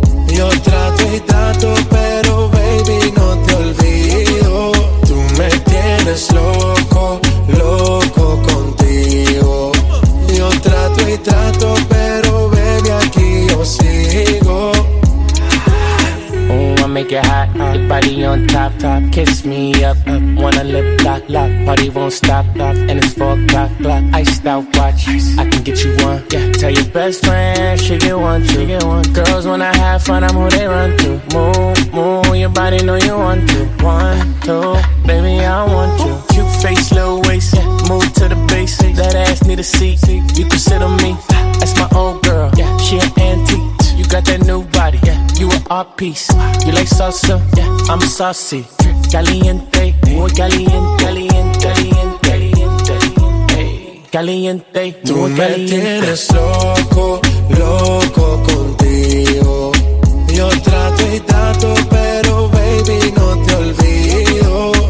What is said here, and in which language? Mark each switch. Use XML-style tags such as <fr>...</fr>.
<es>Yo trato y trato, pero baby, no te olvido. Tú me tienes loco, loco contigo. Yo trato y trato, pero baby, aquí yo sigo.</es> <en>Make it hot, your body on top, top. Kiss me up, wanna lip lock, lock. Party won't stop, lock. And it's 4 o'clock, iced out watch. I can get you one, yeah. Tell your best friend, she get one, she get one. Girls, when I have fun, I'm who they run to. Move, move, your body know you want to. One, two, baby, I want you. Cute face, little waist, yeah. Move to the basics. That ass need a seat, you can sit on me. That's my old girl, yeah, she an antique. You got that new body, yeah. You an art piece. You like salsa, yeah. I'm saucy.</en> <es>Caliente, muy caliente, caliente, caliente, caliente, caliente. Tú me tienes loco, loco contigo. Yo trato y trato, pero baby, no te olvido.</es>